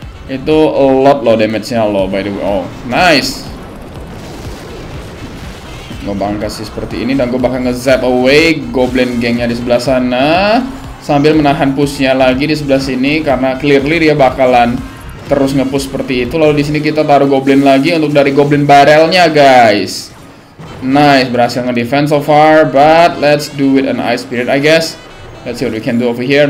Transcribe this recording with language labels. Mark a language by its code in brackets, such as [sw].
[id] Itu [en] a lot [id] loh damage-nya loh by the way. [en] Oh, nice. [id] Gue bakal kasih seperti ini. Dan gue bakal nge-zap away Goblin Gang-nya di sebelah sana. Sambil menahan push-nya lagi di sebelah sini. Karena clearly dia bakalan terus nge-push seperti itu. Lalu di sini kita taruh Goblin lagi untuk dari Goblin Barrel-nya guys. [en] Nice, [id] berhasil nge-defend [en] so far, but let's do with an Ice Spirit, I guess. Let's see what we can do over here.